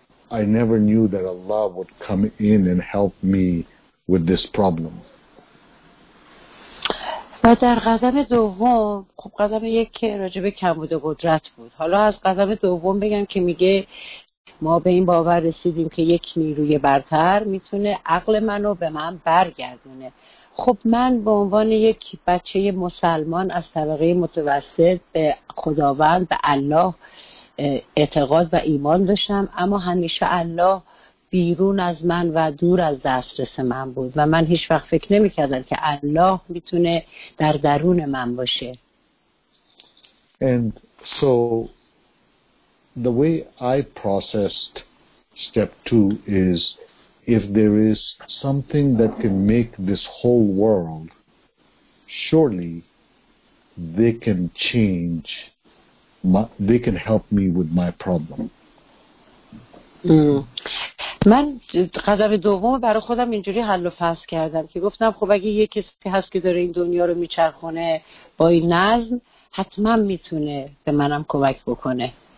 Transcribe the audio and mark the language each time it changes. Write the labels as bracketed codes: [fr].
[en] I never knew that Allah would come in and help me with this problem. [fa] و در قدم دوم، خب قدم یک که راجب کمبود قدرت بود، حالا از قدم دوم بگم که میگه ما به این باور رسیدیم که یک نیروی برتر میتونه عقل منو به من برگردونه. خب من به عنوان یک بچه مسلمان از طبقه متوسط به خداوند، به الله اعتقاد و ایمان داشتم، اما همیشه الله بیرون از من و دور از دسترس من بود و من هیچ وقت فکر نمیکردم که الله میتونه در درون من باشه. [en] And so the way I processed step two is if there is something that can make this whole world, surely they can change, they can help me with my problem. [fa] من قدم دوم برای خودم اینجوری حل و فصل کردم که گفتم خب اگه یک کسی هست که داره این دنیا رو میچرخونه با این نظم حتما میتونه به منم کمک بکنه.